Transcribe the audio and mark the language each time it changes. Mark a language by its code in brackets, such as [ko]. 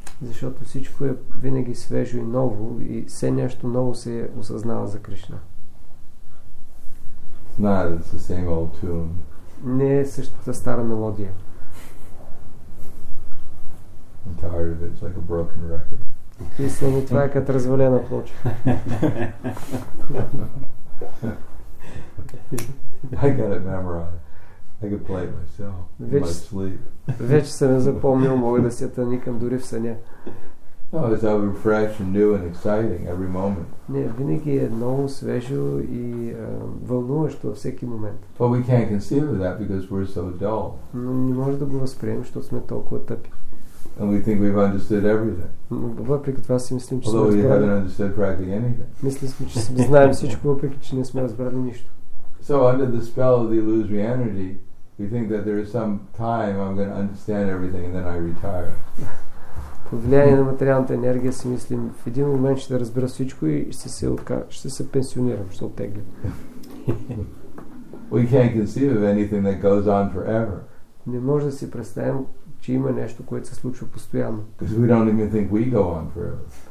[bg] Защото всичко е винаги свежо и ново и все нещо ново се осъзнава за Кришна. [en] It's the same old tune. [bg] Не е същата стара мелодия. [en] I'm tired of it. It's like a broken record. [bg] Писам и това е като развалена плоча. [en] I got it memorized. I could play it myself in my sleep. [bg] Вече съм запомнил, мога да се таникам дори в съня. [en] No, it's always fresh and new and exciting every moment. [bg] Не, винаги е ново, свежо и вълнуващо всеки момент. [en] But we can't conceive of that because we're so dull. [bg] Но не може да го възприемем, защото сме толкова тъпи. [en] And we think we've understood everything. [bg] Въпреки това си мислим, че [en] although we haven't understood practically anything. [bg] Мислим, че знаем всичко, въпреки че не сме разбрали нищо. [en] So under the spell of the illusory energy, we think that there is some time I'm going to understand everything and then I retire. [bg] Под влияние на материалната енергия си мислим, в един момент ще разбера всичко и ще се пенсионирам, ще оттегля. [en] We can't conceive of anything that goes on forever. [bg] Не може да си представим, че има нещо, което се случва постоянно. [en] Because we don't even think we go on forever.